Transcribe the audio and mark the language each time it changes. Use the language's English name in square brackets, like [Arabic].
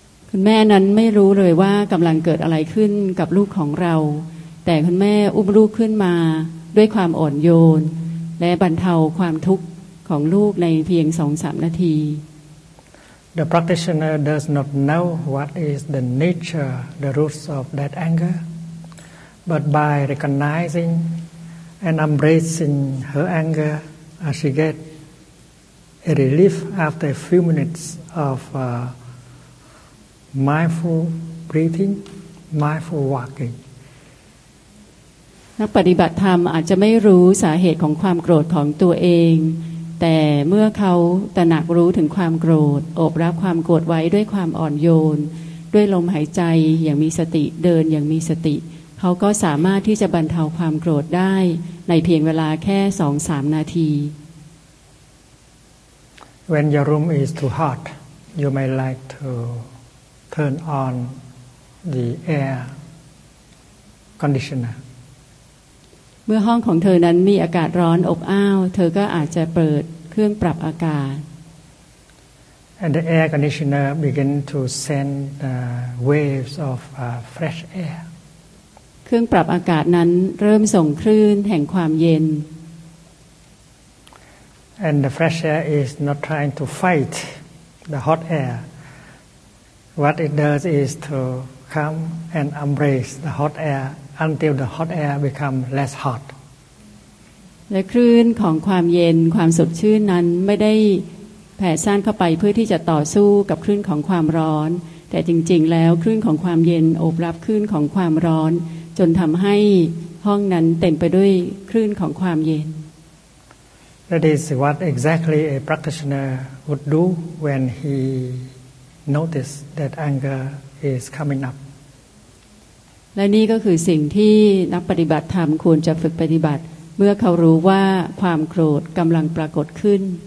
[Thai] คุณแม่นั้นไม่รู้เลยว่ากำลังเกิดอะไรขึ้นกับลูกของเราแต่คุณแม่อุ้มลูกขึ้นมาด้วยความอ่อนโยนและบรรเทาความทุกข์ของลูกในเพียง 2-3 นาที [English] The practitioner does not know what is the nature the roots of that anger but by recognizingand embracing her anger as she gets a relief after a few minutes of mindful breathing, mindful walking. [Thai] นักปฏิบัติธรรมอาจจะไม่รู้สาเหตุของความโกรธของตัวเองแต่เมื่อเขาตระหนักรู้ถึงความโกรธอบรับความโกรธไว้ด้วยความอ่อนโยนด้วยลมหายใจอย่างมีสติเดินอย่างมีสติเขาก็สามารถที่จะบรรเทาความโกรธได้ในเพียงเวลาแค่ 2-3 นาที [English] When your room is too hot you may like to turn on the air conditioner [Thai] เมื่อห้องของเธอนั้นมีอากาศร้อนอบอ้าวเธอก็อาจจะเปิดเครื่องปรับอากาศ [English] And the air conditioner begin to send waves of fresh air [Thai] เครื่องปรับอากาศนั้นเริ่มส่งคลื่นแห่งความเย็น [English] And the fresh air is not trying to fight the hot air. What it does is to come and embrace the hot air until the hot air become less hot. [Thai] และคลื่นของความเย็นความสดชื่นนั้นไม่ได้แผ่ซ่านเข้าไปเพื่อที่จะต่อสู้กับคลื่นของความร้อนแต่จริงๆแล้วคลื่นของความเย็นโอบรับคลื่นของความร้อนจนทำให้ห้องนั้นเต็มไปด้วยคลื่นของความเย็น [English] That is what exactly a practitioner would do when he noticed that anger is coming up. [Thai] และนี่ก็คือสิ่งที่นักปฏิบัติธรรมควรจะฝึกปฏิบัติเมื่อเขารู้ว่าความโกรธกำลังปรากฏขึ้น